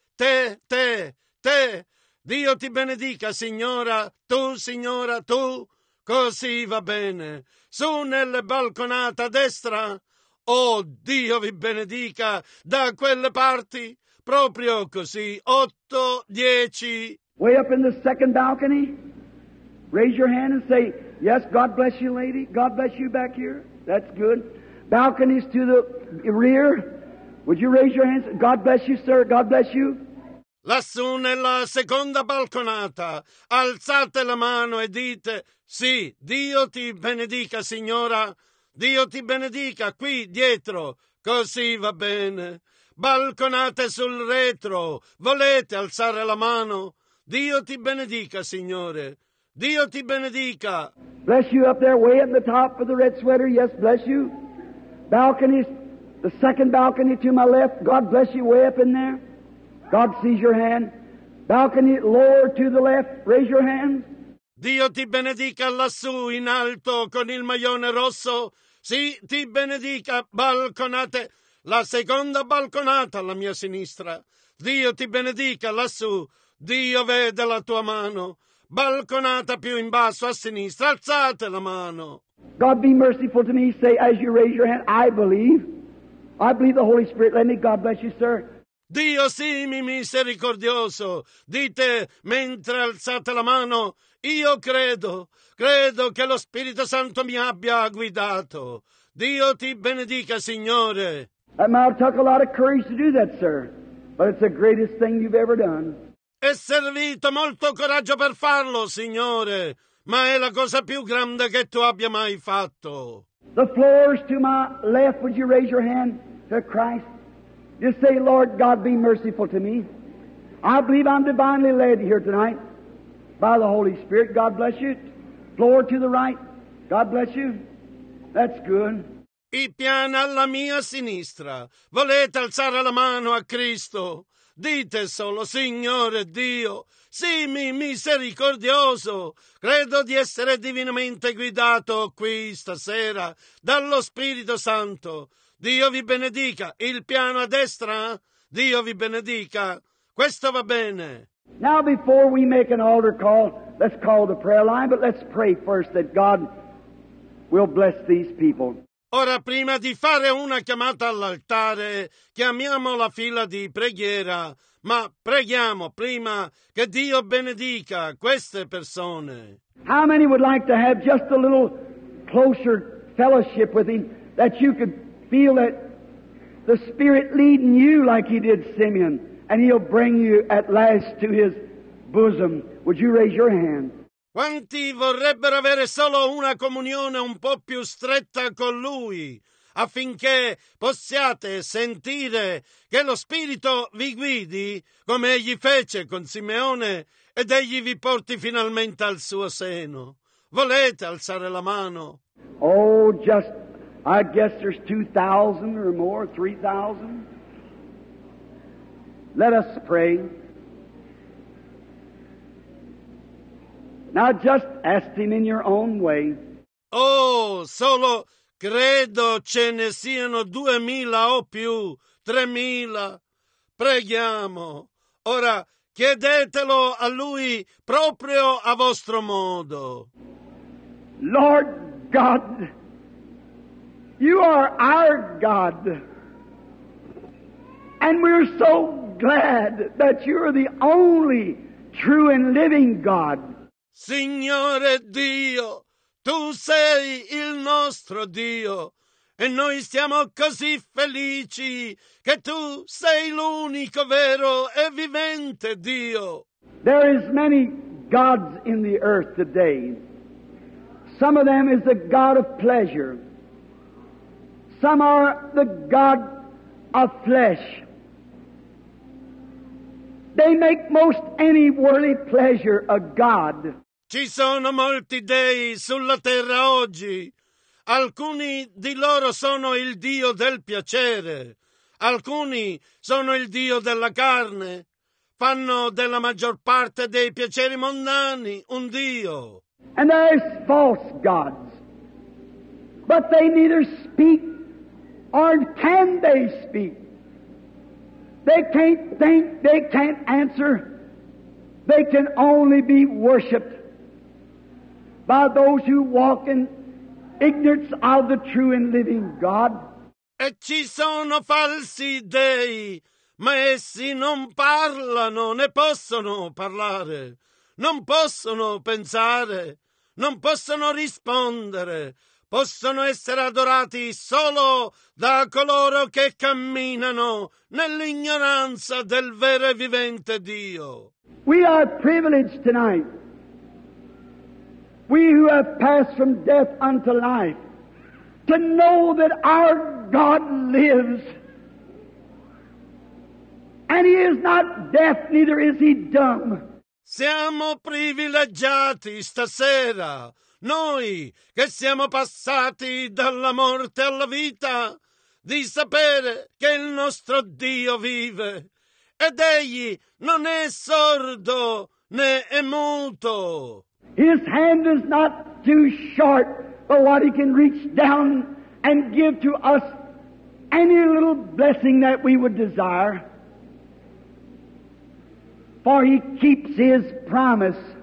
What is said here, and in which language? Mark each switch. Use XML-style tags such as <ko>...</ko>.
<it>Te, te, te, Dio ti benedica, signora, tu, così va bene. Su nelle balconate a destra, oh Dio vi benedica, da quelle parti, proprio così, 8, 10.</it> <en>Way up in the second balcony, raise your hand and say, yes, God bless you, lady, God bless you back here, that's good. Balconies to the rear, would you raise your hands, God bless you, sir, God bless you.</en> <it>Lassù nella seconda balconata, alzate la mano e dite, sì, Dio ti benedica, signora, Dio ti benedica, qui, dietro, così va bene. Balconate sul retro, volete alzare la mano? Dio ti benedica, signore, Dio ti benedica.</it> <en>Bless you up there, way at the top of the red sweater, yes, bless you. Balcony, the second balcony to my left, God bless you, way up in there. God sees your hand. Balcony lower to the left. Raise your hand.</en> <it>Dio ti benedica lassù in alto con il maglione rosso. Sì, ti benedica. Balconate. La seconda balconata alla mia sinistra. Dio ti benedica lassù. Dio vede la tua mano. Balconata più in basso a sinistra. Alzate la mano.</it> <en>God be merciful to me. Say as you raise your hand. I believe the Holy Spirit. Let me. God bless you, sir.</en> <it>Dio sii mi misericordioso, dite mentre alzate la mano, io credo che lo Spirito Santo mi abbia guidato. Dio ti benedica, Signore.</it> <en>That might have took a lot of courage to do that, sir, but it's the greatest thing you've ever done.</en> <it>È servito molto coraggio per farlo, Signore, ma è la cosa più grande che tu abbia mai fatto.</it> <en>The floors to my left, would you raise your hand to Christ? Just say, Lord God, be merciful to me. I believe I'm divinely led here tonight by the Holy Spirit. God bless you. Floor to the right. God bless you. That's good.</en> <it>I piano alla mia sinistra. Volete alzare la mano a Cristo? Dite solo, Signore Dio, sii mi misericordioso. Credo di essere divinamente guidato qui stasera dallo Spirito Santo. Dio vi benedica. Il piano a destra? Dio vi benedica. Questo va bene.</it> <en>Now before we make an altar call, let's call the prayer line, but let's pray first that God will bless these people.</en> <it>Ora, prima di fare una chiamata all'altare, chiamiamo la fila di preghiera, ma preghiamo prima che Dio benedica queste persone.</it> <en>How many would like to have just a little closer fellowship with Him, that you could feel that the Spirit leading you like He did Simeon, and He'll bring you at last to His bosom? Would you raise your hand?</en> <it>Quanti vorrebbero avere solo una comunione un po' più stretta con Lui, affinché possiate sentire che lo Spirito vi guidi, come Egli fece con Simeone, ed Egli vi porti finalmente al suo seno? Volete alzare la mano?</it> <en>Oh, just, I guess there's 2,000 or more, 3,000. Let us pray. Now just ask Him in your own way.</en> <it>Oh, solo credo ce ne siano 2,000 o più, 3,000. Preghiamo. Ora chiedetelo a Lui proprio a vostro modo.</it> <en>Lord God, You are our God. And we're so glad that You are the only true and living God.</en> <it>Signore Dio, Tu sei il nostro Dio, e noi siamo così felici che Tu sei l'unico vero e vivente Dio.</it> <en>There is many gods in the earth today. Some of them is the God of pleasure. Some are the God of flesh. They make most any worldly pleasure a God.</en> <it>Ci sono molti dei sulla terra oggi. Alcuni di loro sono il Dio del piacere. Alcuni sono il Dio della carne. Fanno della maggior parte dei piaceri mondani un Dio.</it> <en>And there are false gods. But they neither speak or can they speak. They can't think, they can't answer. They can only be worshipped by those who walk in ignorance of the true and living God.</en> <it>E ci sono falsi dei, ma essi non parlano, né possono parlare, non possono pensare, non possono rispondere, possono essere adorati solo da coloro che camminano nell'ignoranza del vero e vivente Dio.</it> <en>We are privileged tonight. We who have passed from death unto life, to know that our God lives. And He is not deaf, neither is He dumb.</en> <it>Siamo privilegiati stasera, noi che siamo passati dalla morte alla vita, di sapere che il nostro Dio vive, ed Egli non è sordo né è muto.</it> <en>His hand is not too short for what He can reach down and give to us any little blessing that we would desire. For He keeps His promise.</en>